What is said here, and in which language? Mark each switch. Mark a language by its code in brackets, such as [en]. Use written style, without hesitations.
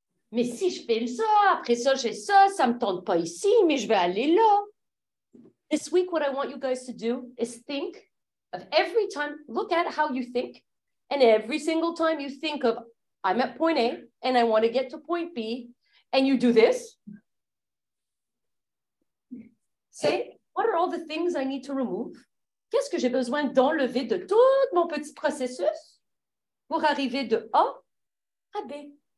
[fr] Mais si je fais ça, après ça, j'ai ça, ça me tente pas ici, mais je vais aller là. [en] This week, what I want you guys to do is think of every time, look at how you think, and every single time you think of, I'm at point A and I want to get to point B, and you do this. Say, what are all the things I need to remove? [fr] Qu'est-ce que j'ai besoin d'enlever de tout mon petit processus pour arriver de A à B?